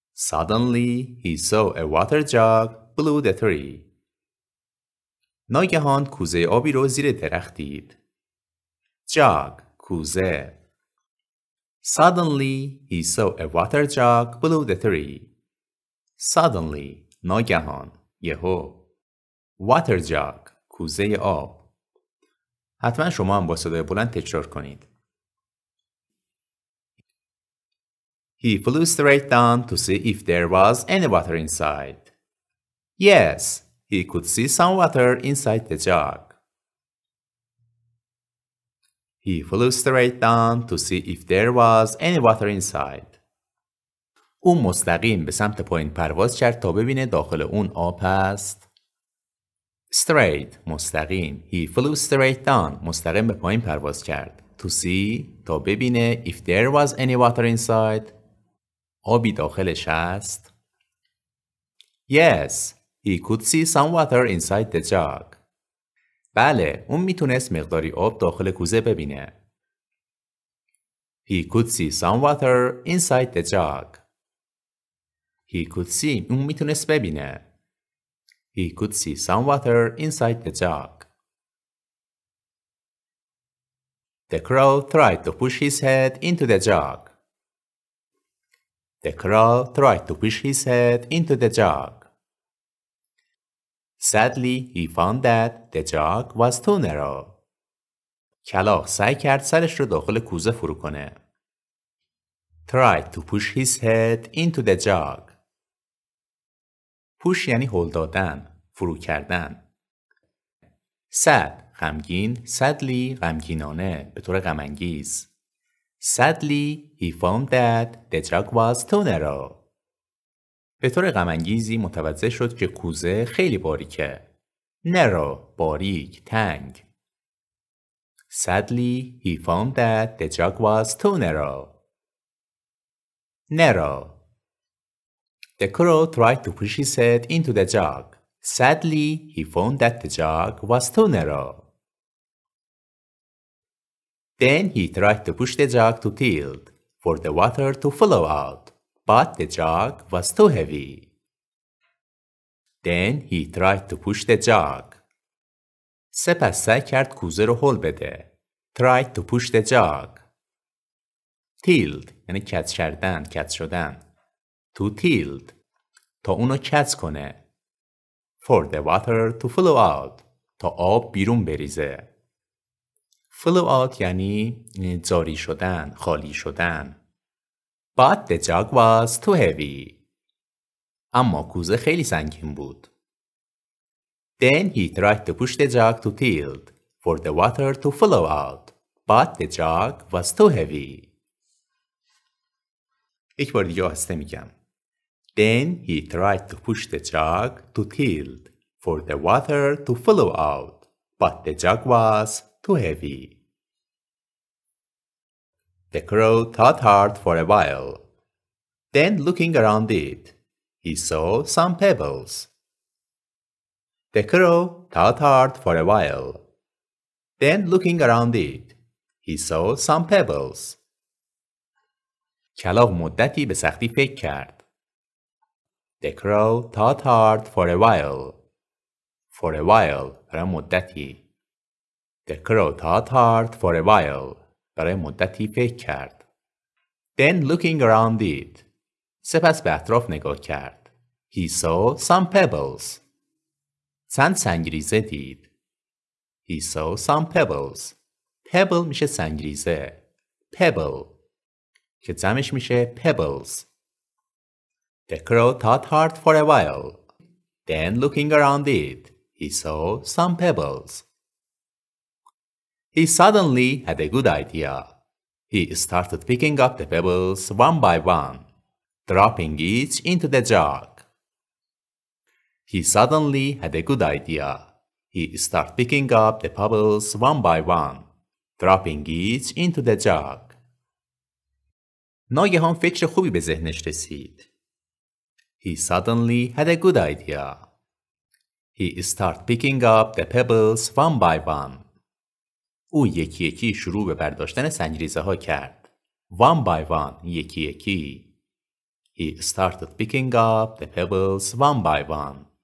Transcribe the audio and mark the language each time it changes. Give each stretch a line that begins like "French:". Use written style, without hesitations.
English: Suddenly he saw a water jug blew the tree.
Persian: ناگهان کوزه آبی رو زیر درخت دید. جاگ، کوزه.
English: Suddenly he saw a water jug below the tree. Suddenly،
Persian: ناگهان، یهو.
English: Water jug،
Persian: کوزه آب. حتما شما هم با صدای بلند تکرار کنید.
English: He flew straight down to see if there was any water inside. Yes. He could see some water inside the jug. He flew straight down to see if there was any water inside.
Persian: او مستقیم به سمت پایین پرواز کرد تا ببینه داخل اون آب هست.
English: Straight
Persian: مستقیم.
English: He flew straight down
Persian: مستقیم به پایین پرواز کرد.
English: To see
Persian: تا ببینه
English: if there was any water inside.
Persian: آبی داخلش هست.
English: Yes. He could see some water inside the jug.
Persian: بله، اون میتونست مقداری آب داخل کوزه ببینه.
English: He could see some water inside the jug. He could see،
Persian: اون میتونست ببینه.
English: He could see some water inside the jug. The crow tried to push his head into the jug. The crow tried to push his head into the jug. Sadly, he found that the jug was too narrow.
Persian: کلاغ سعی کرد سرش رو داخل کوزه فرو کنه.
English: Tried to push his head into the jug. Push
Persian: یعنی هل دادن، فرو کردن.
English: Sad,
Persian: غمگین.
English: Sadly,
Persian: غمگینانه، به طور غم‌انگیز.
English: Sadly, he found that the jug was too narrow.
Persian: به طور غم‌انگیزی متوجه شد که کوزه خیلی باریکه. نرو، باریک، تنگ.
English: Sadly, he found that the jug was too narrow. The crow tried to push his head into the jug. Sadly, he found that the jug was too narrow. Then he tried to push the jug to tilt for the water to flow out. But the jug was too heavy. Then he tried to push the jug.
Persian: سپس سعی کرد کوزه رو هل بده.
English: Tried to push the jug. Tilt
Persian: یعنی کج کردن، کج شدن.
English: To tilt
Persian: تا اونو کج کنه.
English: For the water to flow out
Persian: تا آب بیرون بریزه.
English: Flow out
Persian: یعنی جاری شدن، خالی شدن.
English: But the jug was too heavy.
Persian: اما کوزه خیلی سنگین بود.
English: Then he tried to push the jug to tilt for the water to flow out, but the jug was too heavy.
Persian: یک بار دیگه آهسته میگم.
English: Then he tried to push the jug to tilt for the water to flow out, but the jug was too heavy. The crow thought hard for a while. Then looking around it, he saw some pebbles. The crow thought hard for a while. Then looking around it, he saw some pebbles.
Persian: کلاغ مدتی به سختی فکر کرد.
English: The crow thought hard for a while. For a while
Persian: برای مدتی.
English: The crow thought hard for a while.
Persian: برای مدتی فکر کرد.
English: Then looking around it.
Persian: سپس به اطراف نگاه کرد.
English: He saw some pebbles.
Persian: چند سنگریزه دید.
English: He saw some pebbles. Pebble
Persian: میشه سنگریزه.
English: Pebble.
Persian: که جمعش میشه
English: pebbles. The crow thought hard for a while. Then looking around it, he saw some pebbles. He suddenly had a good idea. He started picking up the pebbles one by one, dropping each into the jug. He suddenly had a good idea. He started picking up the pebbles one by one, dropping each into the jug.
Persian: ناگهان فکر خوبی به ذهنش رسید.
English: He suddenly had a good idea. He started picking up the pebbles one by one.
Persian: او یکی یکی شروع به برداشتن سنگریزه ها کرد.
English: One by one,
Persian: یکی یکی.
English: He started picking up the pebbles one by one.